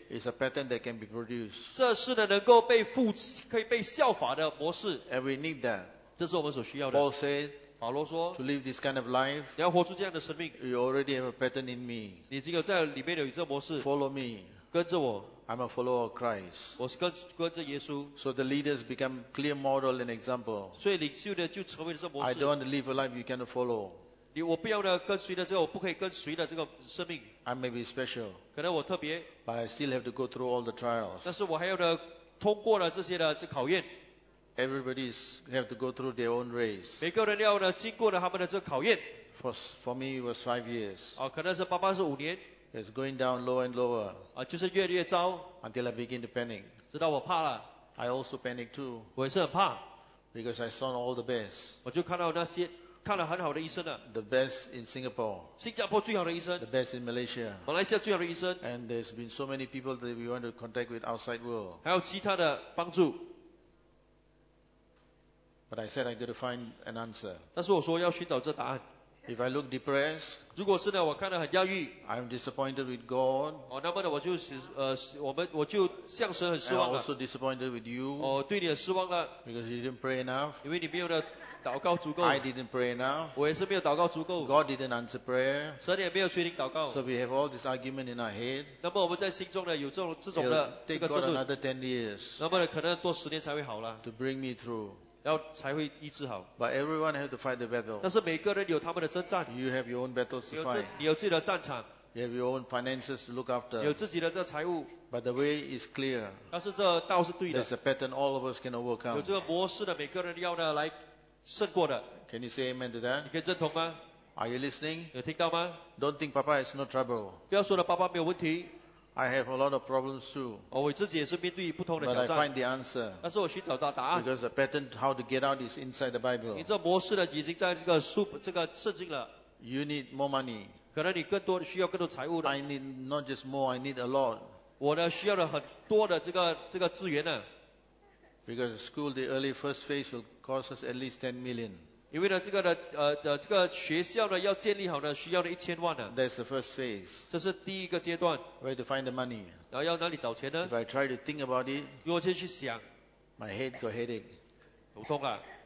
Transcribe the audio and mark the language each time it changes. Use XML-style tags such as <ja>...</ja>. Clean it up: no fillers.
<en>it's a pattern that can be produced.</en> <zh>这是呢能够被复, 可以被效法的模式,</zh> <en>and we need that.</en> <zh>这是我们所需要的。</zh> <en>Paul said,</en> <zh>保罗说,</zh> <en>to live this kind of life,</en> <zh>你要活出这样的生命,</zh> <en>you already have a pattern in me.</en> <zh>你已经有在里面有这个模式,</zh> <en>follow me.</en> <zh>跟着我,</zh> <en>I'm a follower of Christ.</en> <zh>我是跟着耶稣,</zh> <en>so the leaders become clear model and example.</en> <zh>所以领袖的就成为了这个模式。</zh> <en>I don't want to live a life you cannot follow.</en> <zh>我不要跟随的这个我不可以跟随的这个生命。</zh> <en>I may be special.</en> <zh>可能我特别,</zh> <en>but I still have to go through all the trials.</en> <zh>但是我还要通过了这些的考验。</zh> <en>Everybody have to go through their own race.</en> <zh>每个人要经过他们的这个考验。</zh> <en>For me, it was 5 years.</en> <zh>可能是爸爸是5年。</zh> <en>It's going down lower and lower.</en> <zh>就是越来越糟。</zh> <en>Until I begin to panic.</en> <zh>直到我怕了。</zh> <en>I also panic too.</en> <zh>我也是很怕。</zh> <en>Because I saw all the best.</en> <zh>我就看到那些, 看了很好的医生啊,</zh> <en>the best in Singapore,</en> <zh>新加坡最好的医生,</zh> <en>the best in Malaysia,</en> <zh>马来西亚最好的医生,</zh> <en>and there's been so many people that we want to contact with outside world,</en> <zh>还有其他的帮助,</zh> <en>but I said I got to find an answer.</en> <zh>但是我说要寻找这答案。</zh> <en>If I look depressed,</en> <zh>如果是呢,</zh> <en>I'm disappointed with God.</en> <zh>那么呢我就向神很失望了。</zh> <en>I'm also disappointed with you.</en> <zh>对你很失望了。</zh> <en>Because you didn't pray enough.</en> <zh>因为你没有祷告足够。</zh> <en>I didn't pray enough.</en> <zh>我也是没有祷告足够。</zh> <en>God didn't answer prayer.</en> <zh>神也没有垂听祷告。</zh> <en>So we have all this argument in our head.</en> <zh>那么我们在心中呢有这种这种的,</zh> <en>it'll take God another 10 years.</en> <zh>那么呢可能多10年才会好了。</zh> <en>To bring me through.</en> <zh>要才会医治好。</zh> <en>But everyone has to fight the battle.</en> <zh>但是每个人有他们的征战。</zh> <en>You have your own battles to fight.</en> <zh>你有自己的战场。</zh> <en>You have your own finances to look after.</en> <zh>有自己的这财务。</zh> <en>But the way is clear.</en> <zh>但是这道是对的。</zh> <en>There's a pattern all of us can overcome.</en> <zh>有这个模式的, 每个人要呢来胜过的。</zh> <en>Can you say amen to that?</en> <zh>你可以认同吗?</zh> <en>Are you listening?</en> <zh>有听到吗?</zh> <en>Don't think Papa has no trouble.</en> <zh>不要说了, 爸爸没有问题。</zh> <en>I have a lot of problems too. But I find the answer. Because the pattern how to get out is inside the Bible. You need more money. I need not just more, I need a lot. Because school, the early first phase will cost us at least 10 million.</en> <zh>因为呢，这个学校呢要建立好呢，需要的1000万呢。</zh> <en>That's the first phase.</en> <zh>这是第一个阶段.</zh> <en>Where to find the money?</en> <zh>然后要哪里找钱呢？</zh> <en>If I try to think about it,</en> <zh>如果先去想,</zh> <en>my head got headache.</en> <zh>头痛啊。</zh>